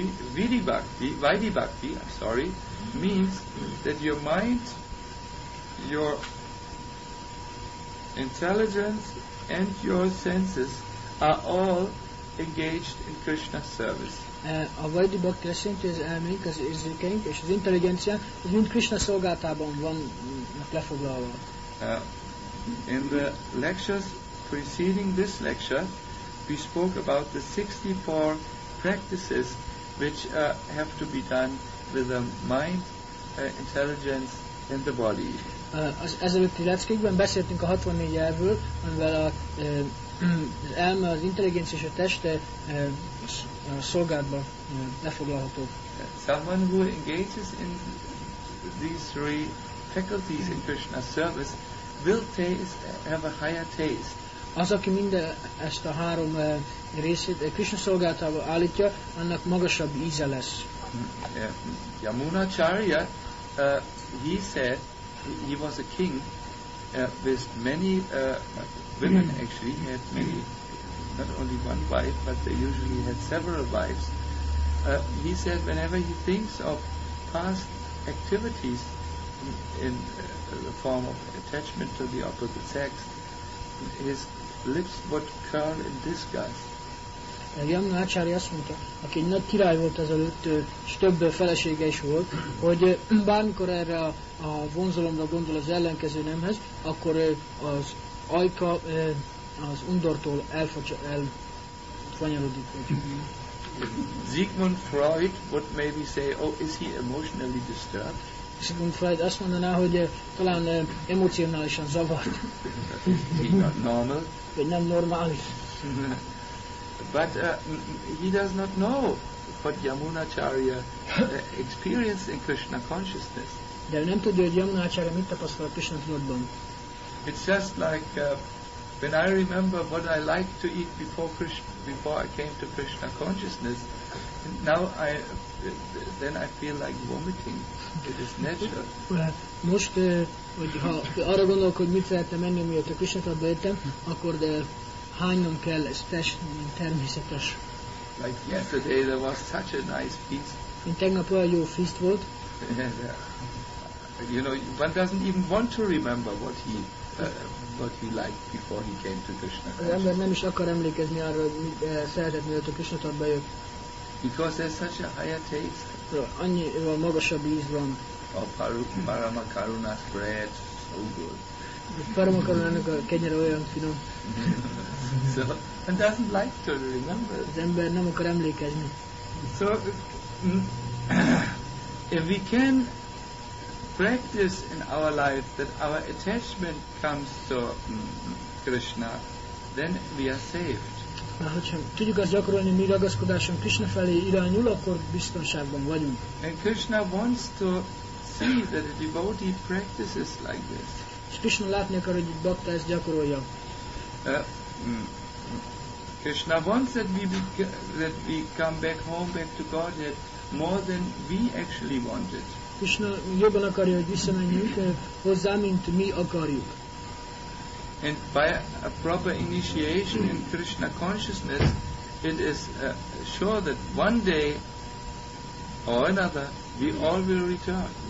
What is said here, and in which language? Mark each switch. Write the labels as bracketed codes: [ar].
[en] Vaidhi bhakti, means that your mind, your intelligence and your senses are all engaged in Krishna's service. [hu] A Vaidhi bhakti azt jelenti, hogy az elménk, az érzékeink és az intelligenciánk, az mind Krishna szolgálatában vannak lefoglalva. [en] In the lectures preceding this lecture, we spoke about the 64 practices which have to be done with the mind, intelligence and the body. [hu] Az ezelőtti leckékben beszéltünk a 64 elvről, amivel az elme, az intelligencia és a teste szolgálatban lefoglalható. [en] Someone who engages in these three faculties in Krishna's service will have a higher taste. [hu] Az, aki minden ezt a három részét Krishna szolgálatába állítja, annak magasabb íze lesz. [en] Yamunacharya, he said, he was a king with many women actually. He had many, not only one wife, but they usually had several wives. He said whenever he thinks of past activities in the form of attachment to the opposite sex, his lips would curl in disgust. [hu] Jamuna Acharya azt mondta, aki egy nagy király volt ezelőtt, és több felesége is volt, hogy bármikor erre a vonzalomra gondol az ellenkező nemhez, akkor az ajka az undortól elfanyarodik. [en] Sigmund Freud would maybe say, oh, is he emotionally disturbed? [hu] Sigmund Freud azt mondaná, hogy talán emocionálisan zavart. Vagy nem normális. [en] But he does not know what Yamunacharya experienced in Krishna consciousness. [hu] De nem tudja, hogy Yamunacharya mit tapasztalt Krishna tudatban. [en] It's just like when I remember what I liked to eat before I came to Krishna consciousness, now I feel like vomiting. It is natural. [hu] Most, hogyha arra gondolok, hogy mit szeretem enni, mielőtt a Krishna tudatba értem, akkor de hánynom kell, ez természetes. [en] Like yesterday there was such a nice feast. [hu] Mint tegnap olyan jó feast volt. [en] You know, one doesn't even want to remember what he liked before he came to Krishna. [hu] Az ember nem is akar emlékezni arra, hogy mit szeretett, mielőtt a Krishna tudatba jött. [en] Because there's such a higher taste. [hu] So, annyi magasabb íz van. [en] Oh, Parama Karuna's bread, so good. [hu] Parama Karuna-nak a kenyere olyan finom. [en] So, and doesn't like to remember. [hu] Az ember nem akar emlékezni. [en] So, if we can practice in our life that our attachment comes to Krishna, then we are saved. [hu] Na, hogyha tudjuk azt gyakorolni, mi ragaszkodásunk Krishna felé irányul, akkor biztonságban vagyunk. [en] And Krishna wants to see that a devotee practices like this. [hu] És Krishna látni akar, hogy egy bhakta ezt gyakorolja. [en] Krishna wants that we come back to Godhead more than we actually wanted. [hu] Krishna jobban akarja, hogy visszamenjünk hozzá, mint mi akarjuk. [en] And by a proper initiation in Krishna consciousness, it is sure that one day or another we all will return.